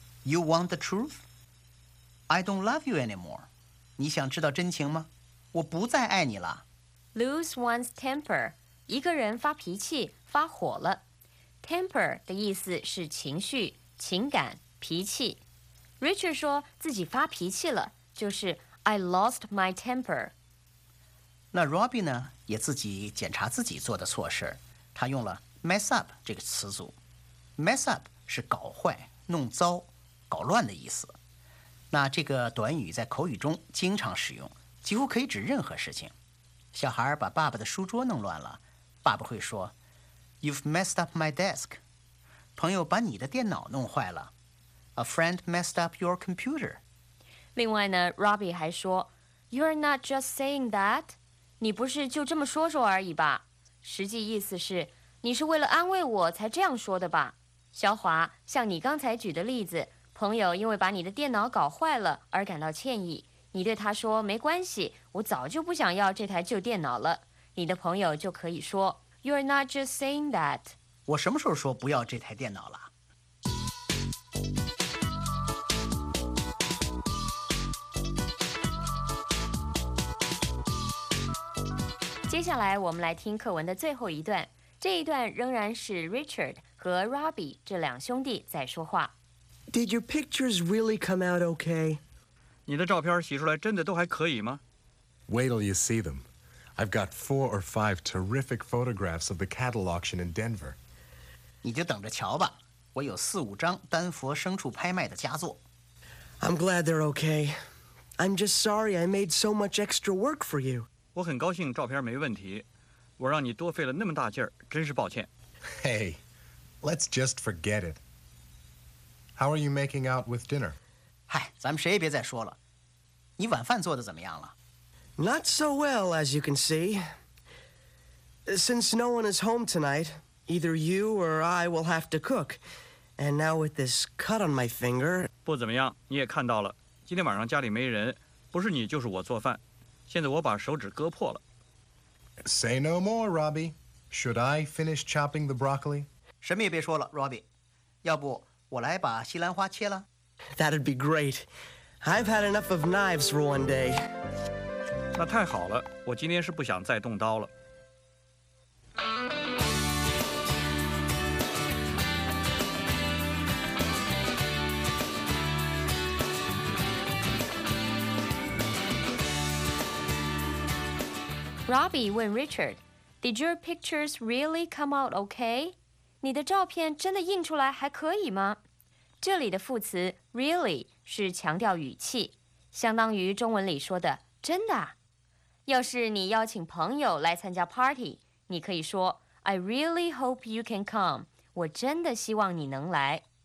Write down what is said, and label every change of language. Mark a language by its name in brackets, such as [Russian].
[English] You want the truth? I don't love you anymore. [Chinese] 你想知道真情吗？我不再爱你了。 [English] Lose one's temper. [Chinese] 一个人发脾气，发火了。 Temper 的意思是情绪、情感、脾气。 Richard 说自己发脾气了，就是 [English] I lost my temper。 [Chinese] 那 Robbie 呢，也自己检查自己做的错事，他用了 mess up 这个词组。 Mess up 是搞坏、弄糟、搞乱的意思。那这个短语在口语中经常使用，几乎可以指任何事情。小孩把爸爸的书桌弄乱了，爸爸会说 [English] You've messed up my desk。 [Chinese] 朋友把你的电脑弄坏了， [English] A friend messed up your computer。 [Chinese] 另外呢， Robbie 还说 [English] You're not just saying that， [Chinese] 你不是就这么说说而已吧，实际意思是你是为了安慰我才这样说的吧。小华，像你刚才举的例子，朋友因为把你的电脑搞坏了而感到歉意，你对他说没关系，我早就不想要这台旧电脑了，你的朋友就可以说 [English] You're not just saying that。 [Chinese] 我什么时候说不要这台电脑了？接下来我们来听课文的最后一段，这一段仍然是 Richard 和 Robbie 这两兄弟在说话。 [English] Did your pictures really come out okay? [Chinese] 你的照片洗出来真的都还可以吗？ [English] Wait till you see them. I've got 4 or 5 terrific photographs of the cattle auction in Denver. [Chinese] 你就等着瞧吧，我有4-5张丹佛牲畜拍卖的佳作。 [English] I'm glad they're okay. I'm just sorry I made so much extra work for you. [Chinese] 我很高兴照片没问题，我让你多费了那么大劲儿，真是抱歉。 [English] Hey, let's just forget it. How are you making out with dinner? [Chinese] 嗨，咱们谁也别再说了，你晚饭做得怎么样了？ [English] Not so well, as you can see. Since no one is home tonight, either you or I will have to cook. And now with this cut on my finger... [Chinese] 不怎么样，你也看到了，今天晚上家里没人，不是你就是我做饭，现在我把手指割破了。 [English] Say no more, Robbie. Should I finish chopping the broccoli? [Chinese] 什么也别说了， Robbie. 要不我来把西兰花切了？ [English] That'd be great. I've had enough of knives for one day. [Chinese] 那太好了，我今天是不想再动刀了。 [English] Robbie [Chinese] 问 [English] Richard, Did your pictures really come out okay? [Chinese] 你的照片真的印出来还可以吗？这里的副词 really 是强调语气，相当于中文里说的真的。要是你邀请朋友来参加 party， 你可以说 [English] I really hope you can come， [Chinese] 我真的希望你能来。